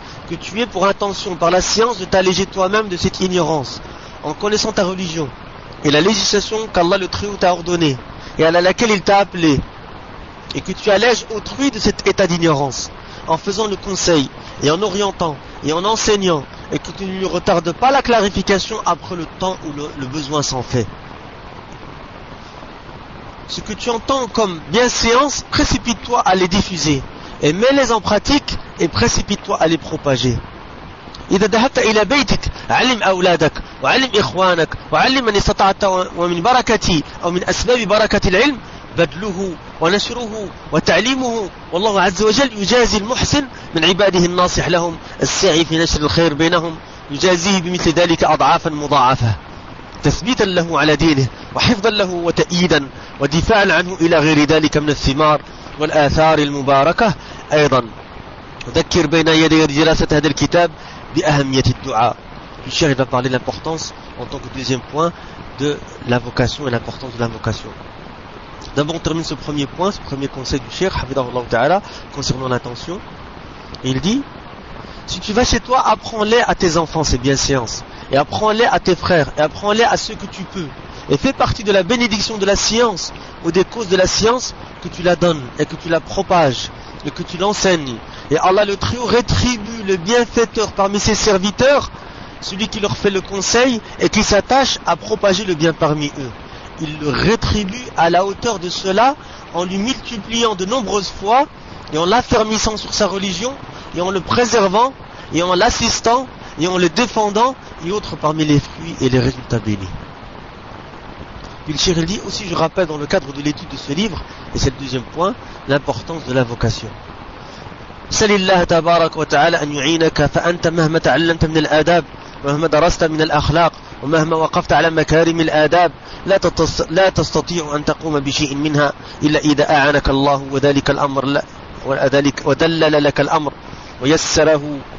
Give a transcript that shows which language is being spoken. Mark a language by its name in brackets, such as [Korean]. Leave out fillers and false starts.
[French] Que tu aies pour intention par la science de t'alléger toi-même de cette ignorance en connaissant ta religion et la législation qu'Allah le Très-Haut t'a ordonnée et à laquelle il t'a appelé, et que tu allèges autrui de cet état d'ignorance en faisant le conseil et en orientant et en enseignant, et que tu ne lui retardes pas la clarification après le temps où le besoin s'en fait. Ce que tu entends comme bienséance, précipite-toi à les diffuser et mets-les en pratique et précipite-toi à les propager. [Arabic] إذا ذهبت إلى بيتك علم أولادك وعلم إخوانك وعلم من استطعت ومن بركتي أو من أسباب بركة العلم بدله ونشره وتعليمه، والله عز وجل يجازي المحسن من عباده الناصح لهم السعي في نشر الخير بينهم، يجازيه بمثل ذلك أضعافا مضاعفة، تثبيتا له على دينه وحفظا له وتأييدا ودفاعا عنه إلى غير ذلك من الثمار والآثار المباركة أيضا. ذكر بين يدي دراسة هذا الكتاب بأهمية الدعاء، [French] Le cheikh va parler de l'importance, en tant que deuxième point, de la vocation et l'importance de la vocation. D'abord, on termine ce premier point, ce premier conseil du cheikh, hafidhahullah ta'ala, concernant l'intention. Il dit, si tu vas chez toi, apprends-les à tes enfants, c'est bien science. Et apprends-les à tes frères, et apprends-les à ceux que tu peux. Et fais partie de la bénédiction de la science, ou des causes de la science, que tu la donnes, et que tu la propages, et que tu l'enseignes. Et Allah le Très-Haut rétribue le bienfaiteur parmi ses serviteurs, celui qui leur fait le conseil et qui s'attache à propager le bien parmi eux. Il le rétribue à la hauteur de cela en lui multipliant de nombreuses fois et en l'affermissant sur sa religion et en le préservant et en l'assistant et en le défendant et autres parmi les fruits et les résultats bénis. Puis le cheikh dit aussi, je rappelle dans le cadre de l'étude de ce livre, et c'est le deuxième point, l'importance de la vocation. [Arabic] سل الله تبارك وتعالى أن يعينك فأنت مهما تعلمت من الآداب ومهما درست من الأخلاق ومهما وقفت على مكارم الآداب لا تستطيع أن تقوم بشيء منها إلا إذا أعانك الله وذلك الأمر ودلل لك الأمر ويسره.